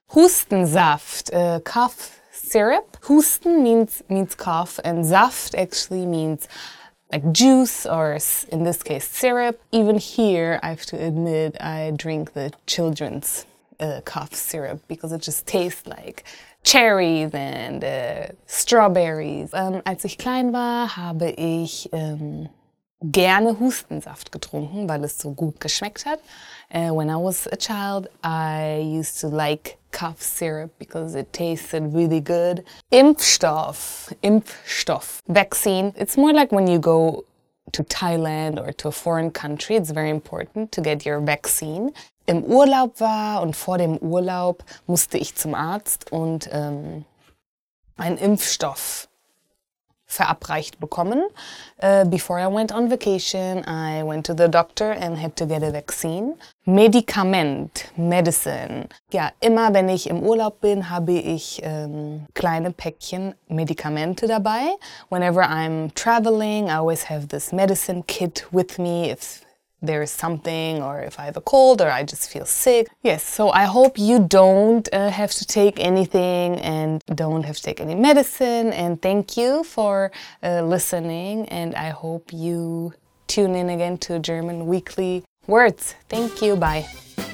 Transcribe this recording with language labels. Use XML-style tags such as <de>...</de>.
<en>Hustensaft, cough syrup. Husten means cough, and saft actually means like juice, or in this case syrup. Even here, I have to admit, I drink the children's cough syrup because it just tastes like cherries and strawberries.</en> <de>Als ich klein war, habe ich gerne Hustensaft getrunken, weil es so gut geschmeckt hat.</de> <en>When I was a child, I used to like cough syrup because it tasted really good. Impfstoff, vaccine. It's more like when you go to Thailand or to a foreign country, it's very important to get your vaccine.</en> <de>Im Urlaub war und vor dem Urlaub musste ich zum Arzt und einen Impfstoff verabreicht bekommen.</de> <en>Before I went on vacation, I went to the doctor and had to get a vaccine. Medikament, medicine.</en> <de>Ja, immer wenn ich im Urlaub bin, habe ich kleine Päckchen Medikamente dabei.</de> <en>Whenever I'm traveling, I always have this medicine kit with me if there is something, or if I have a cold, or I just feel sick. Yes, so I hope you don't have to take anything and don't have to take any medicine. And thank you for listening. And I hope you tune in again to German Weekly Words. Thank you. Bye.</en>